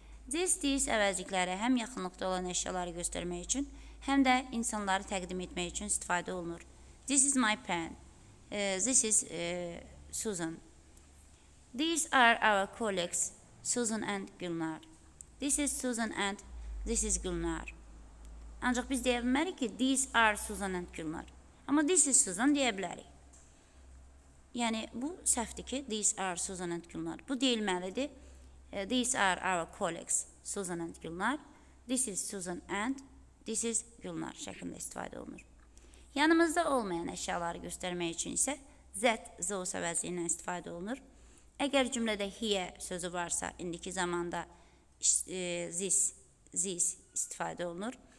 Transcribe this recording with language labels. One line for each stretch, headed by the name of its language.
Azerbaijani: This, this əvəzlikləri həm yaxınlıqda olan əşyaları göstərmək üçün, həm də insanları təqdim etmək üçün istifadə olunur.
English: This is my pen. This is Susan. These are our colleagues, Susan and Gülnar. This is Susan and this is Gülnar.
Azerbaijani: Ancaq biz deyə bilmərik ki,
English: these are Susan and Gülnar.
Azerbaijani: Amma
English: this is Susan
Azerbaijani: deyə bilərik. Yəni, bu səhvdir ki,
English: these are Susan and Gülnar.
Azerbaijani: Bu deyilməlidir.
English: These are our colleagues, Susan and Gülnar. This is Susan and this is Gülnar
Azerbaijani: şəklində istifadə olunur. Yanımızda olmayan əşyaları göstərmək üçün isə that, those əvəzliyindən istifadə olunur. Əgər cümlədə here sözü varsa, indiki zamanda this istifadə olunur.